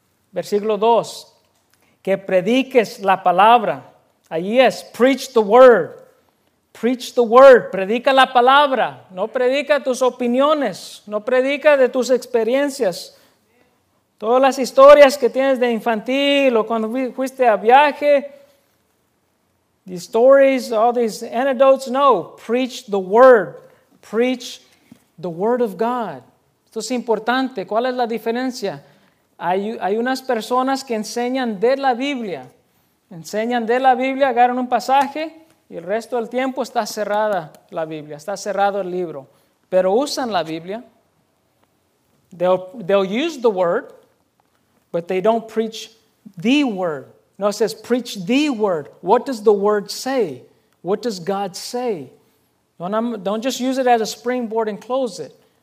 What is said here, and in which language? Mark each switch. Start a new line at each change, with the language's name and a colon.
Spanish: Versículo 2. Que prediques la palabra. Allí es,
English: preach the word. Preach the word,
Spanish: predica la palabra. No predica tus opiniones, no predica de tus experiencias. Todas las historias que tienes de infantil o cuando fuiste a viaje.
English: These stories, all these anecdotes, no. Preach the word. Preach the word of God.
Spanish: Esto es importante. ¿Cuál es la diferencia? Hay unas personas que enseñan de la Biblia. Enseñan de la Biblia, agarran un pasaje y el resto del tiempo está cerrada la Biblia, está cerrado el libro. Pero usan la Biblia.
English: They'll use the word, but they don't preach the word. No, it says preach the word. What does the word say? What does God say? Don't just use it as a springboard and close it.